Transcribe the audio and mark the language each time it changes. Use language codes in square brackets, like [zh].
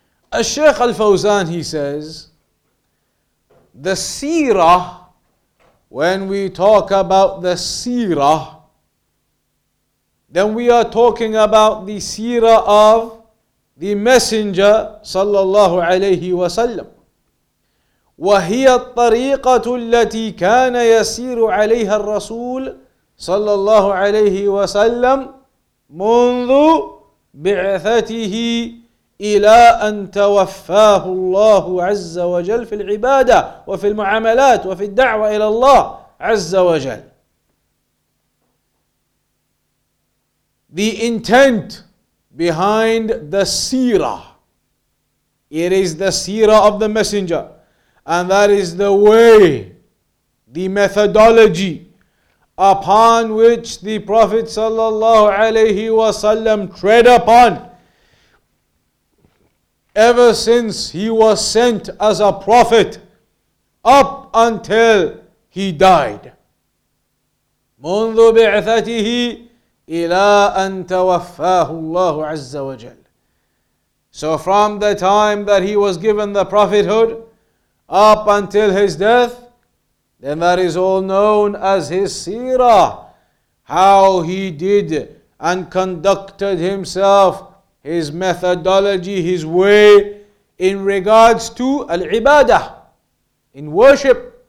[en] Al-Shaykh Al-Fawzan, he says, the seerah, when we talk about the seerah, then we are talking about the seerah of the Messenger sallallahu alayhi wa sallam. [ar] وهي الطريقة التي كان يسير عليها الرسول صلى الله عليه وسلم منذ بعثته إلى أن توفاه الله عز وجل في العبادة وفي المعاملات وفي الدعوة إلى الله عز وجل. [en] The intent behind the seerah, it is the seerah of the Messenger. And that is the way, the methodology upon which the Prophet sallallahu alayhi wa sallam tread upon ever since he was sent as a prophet up until he died. [ar] منذ بعثته إلى أن توفاه الله عز وجل. [en] So from the time that he was given the prophethood up until his death, then that is all known as his seerah, how he did and conducted himself, his methodology, his way in regards to al-ibadah, in worship,